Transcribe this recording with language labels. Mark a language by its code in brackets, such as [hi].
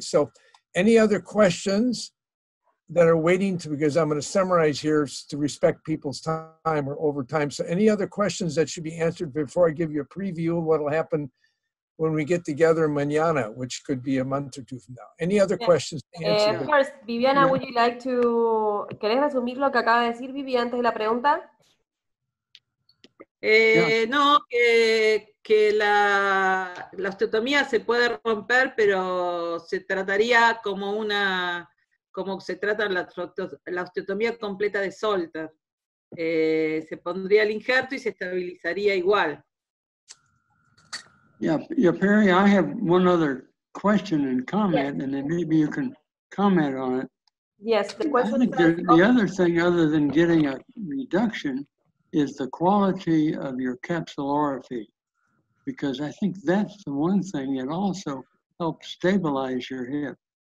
[en] So any other questions that are waiting to, because I'm going to summarize here to respect people's time or over time. So any other questions that should be answered before I give you a preview of what will happen when we get together mañana, which could be a month or two from now. Any other questions to answer? First, Viviana, would you like to... [es] ¿Querés resumir lo que acaba de decir Vivi antes de la pregunta? No, que la osteotomía se puede romper, pero se trataría como una... como se trata la osteotomía completa de Salter. Se pondría el injerto y se estabilizaría igual. [en] Yeah, Perry, I have one other question and comment, yes. And then maybe you can comment on it. Yes, the question is... The other thing, other than getting a reduction, is the quality of your capsulorraphy, because I think that's the one thing that also helps stabilize your hip.